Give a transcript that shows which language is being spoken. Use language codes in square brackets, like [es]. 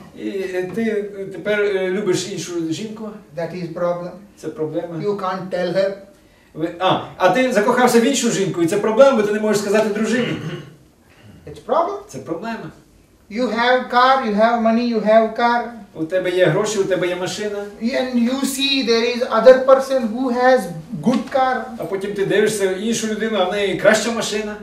[uk] І ти тепер любиш іншу жінку. [en] That is problem. [uk] Це проблема. [en] You can't tell her. [uk] А ти закохався в іншу жінку, і це проблема, бо ти не можеш сказати дружині. [en] It's problem. [uk] Це проблема. [en] You have car, you have money, you have car. [uk] У тебе є гроші, у тебе є машина. [en] And you see there is other person who has good car. [uk] А потім ти дивишся в іншу людину, а в неї краща машина.